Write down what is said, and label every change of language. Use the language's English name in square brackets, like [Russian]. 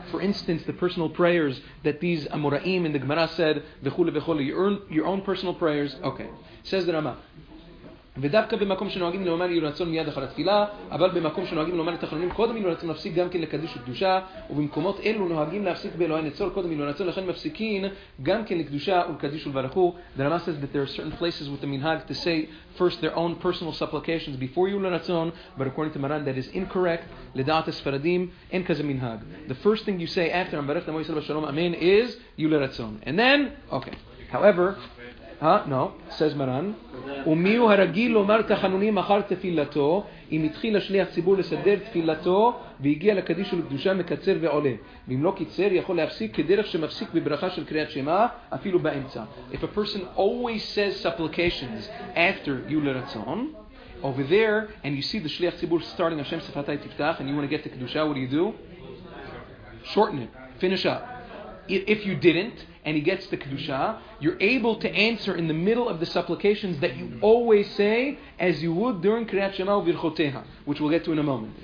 [English] For instance, the personal prayers that these Amoraim in the Gemara said, your own personal prayers. Okay, says the Rama. [Hebrew] ודווקא במקום שנוהגים לומר יהיו רצון מיד אחר התפילה, אבל במקום שנוהגים לומר לתחנונים קודם יהיו רצון להפסיק גם כן לקדיש וקדושה, ובמקומות אלו נוהגים להפסיק באלוהי נצור קודם יהיו רצון, לכן מפסיקים גם כן לקדושה ולקדיש ולברכו. [English] The Rama says that there are certain places with the minhag to say first their own personal supplications before יהיו רצון, but according to Maran that is incorrect. [Hebrew] לדעת הספרדים אין כזה מנהג. [English] The first thing you say after [Hebrew] המברך למו ישראל בשלום אמן [English] is יהיו רצון. And then, okay. However, no, says Maran. [Hebrew] ומיהו הרגיל לומר תחנונים אחר תפילתו, אם התחיל השליח ציבור לסדר תפילתו, והגיע לקדיש ולקדושה מקצר ועולה. ואם לא קיצר, יכול להפסיק כדרך שמפסיק בברכה של קריאת שמה, אפילו באמצע. [English] If a person always says supplications after יהיו לרצון, over there, and you see the שליח ציבור starting, [Hebrew] השם שפתי תפתח, [English] and you want to get the קדושה, what do you do? Shorten it. Finish up. If you didn't, and he gets the Kedusha, you're able to answer in the middle of the supplications that you always say as you would during Kriyat Shema uVirchoteha, which we'll get to in a moment.